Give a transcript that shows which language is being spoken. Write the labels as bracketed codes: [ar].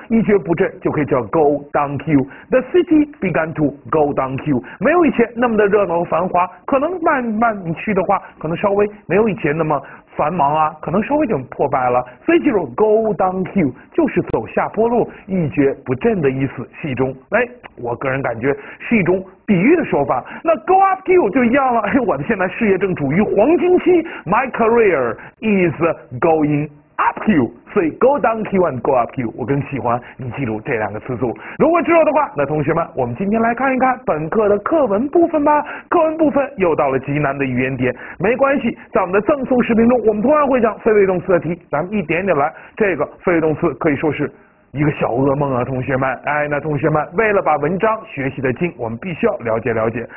[zh] 一蹶不振就可以叫 go downhill， [en] the city began to go downhill， [zh] 没有以前那么的热闹和繁华，可能慢慢你去的话，可能稍微没有以前那么繁忙啊，可能稍微就破败了。所以记住 go downhill 就是走下坡路，一蹶不振的意思，戏中，哎，我个人感觉是一种比喻的说法。那 go uphill 就一样了，哎，我的现在事业正处于黄金期， [en] my career is going up Q， [zh] 所以 [en] go down Q and go up Q， [zh] 我更喜欢你记住这两个词组。如果记住的话，那同学们，我们今天来看一看本课的课文部分吧。课文部分又到了极难的语言点，没关系，在我们的赠送视频中，我们同样会讲非谓动词的题，咱们一点点来。这个非谓动词可以说是一个小噩梦啊，同学们。哎，那同学们，为了把文章学习的精，我们必须要了解了解。